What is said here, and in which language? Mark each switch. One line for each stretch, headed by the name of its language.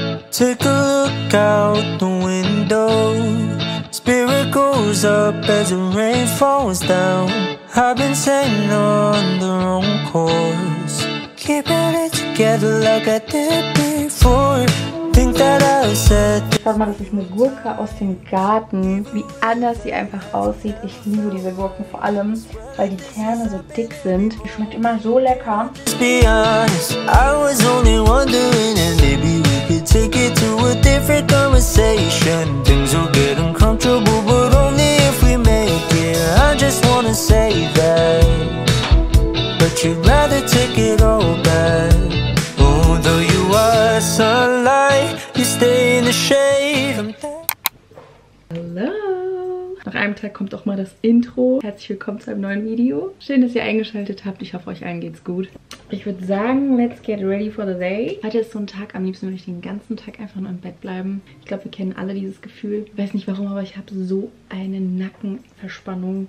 English: Take a look out the window. Spirit goes up as the rain falls down. I've been sailing on the wrong course. Keeping it together like I did before. Think that I said.
German: Schaut mal, das ist eine Gurke aus dem Garten. Wie anders sie einfach aussieht. Ich liebe diese Gurken vor allem, weil die Kerne so dick sind. Die schmeckt immer so lecker.
English: Let's be honest, I was only wondering and maybe we could take it to a different conversation. Things will get uncomfortable, but only if we make it. I just wanna say that, but you'd rather take it all back. Oh, though you are sunlight, you stay in the shade. Hello.
German: Nach einem Tag kommt auch mal das Intro. Herzlich willkommen zu einem neuen Video. Schön, dass ihr eingeschaltet habt. Ich hoffe, euch allen geht's gut. Ich würde sagen,
English: let's get ready for the day.
German: Heute ist so ein Tag, am liebsten würde ich den ganzen Tag einfach nur im Bett bleiben. Ich glaube, wir kennen alle dieses Gefühl. Ich weiß nicht warum, aber ich habe so eine Nackenverspannung.